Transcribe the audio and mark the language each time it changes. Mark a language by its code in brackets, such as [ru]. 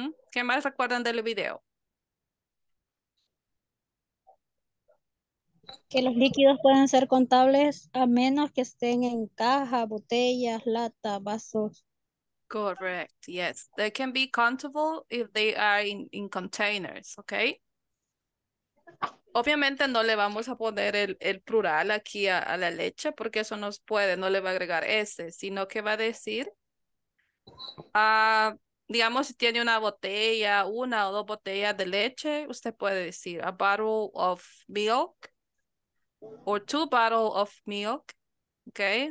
[es] ¿Qué más recuerdan del video? Que los líquidos pueden ser contables a menos que estén en cajas, botellas, lata, vasos. [en] Correct, yes. They can be countable if they are in containers, okay? [es] Obviamente no le vamos a poner el plural aquí a la leche porque eso nos puede, no le va a agregar S, sino que va a decir... digamos, si tiene una botella, una o dos botellas de leche, usted puede decir [en] a bottle of milk [es] or two bottles of milk, okay?